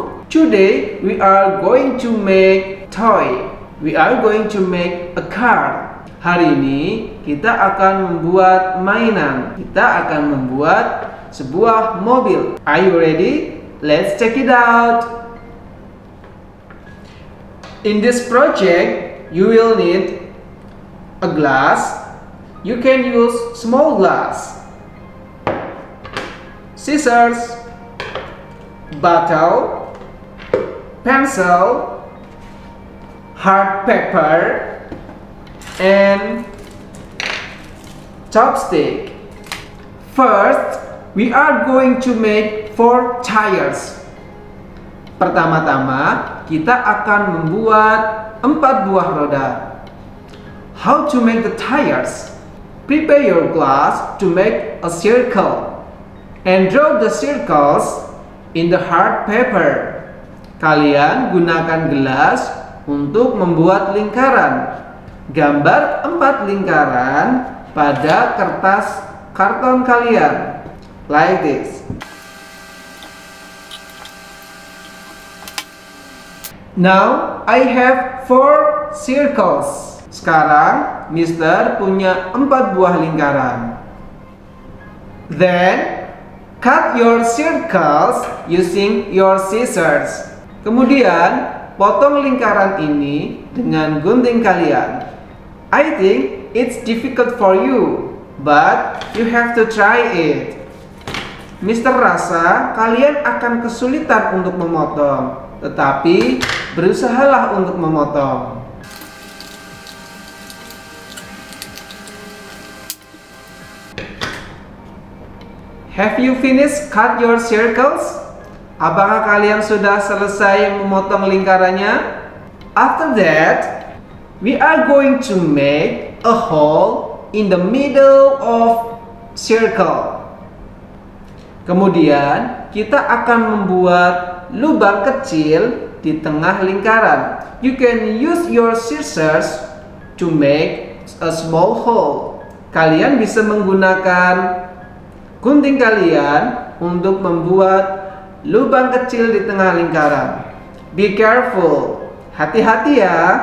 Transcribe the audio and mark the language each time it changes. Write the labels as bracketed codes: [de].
[en] Today we are going to make toy. We are going to make a car. [id] Hari ini kita akan membuat mainan. Kita akan membuat sebuah mobil. [en] Are you ready? Let's check it out. In this project, you will need a glass. You can use small glass, scissors, bottle, pencil, hard paper, and chopstick. First, we are going to make 4 tires. [id] Pertama-tama, kita akan membuat 4 buah roda. [en] How to make the tires? Prepare your glass to make a circle and draw the circles in the hard paper. [id] Kalian gunakan gelas untuk membuat lingkaran. Gambar 4 lingkaran pada kertas karton kalian. [en] Like this. Now, I have 4 circles. [id] Sekarang, Mister punya 4 buah lingkaran. [en] Then, cut your circles using your scissors. [id] Kemudian, potong lingkaran ini dengan gunting kalian. [en] I think it's difficult for you, but you have to try it. [id] Mister rasa kalian akan kesulitan untuk memotong, tetapi berusahalah untuk memotong. [en] Have you finished cut your circles? [id] Apakah kalian sudah selesai memotong lingkarannya? [en] After that, we are going to make a hole in the middle of circle. [id] Kemudian, kita akan membuat lubang kecil di tengah lingkaran. [en] You can use your scissors to make a small hole. [id] Kalian bisa menggunakan gunting kalian untuk membuat lubang kecil di tengah lingkaran. [en] Be careful. [id] Hati-hati ya.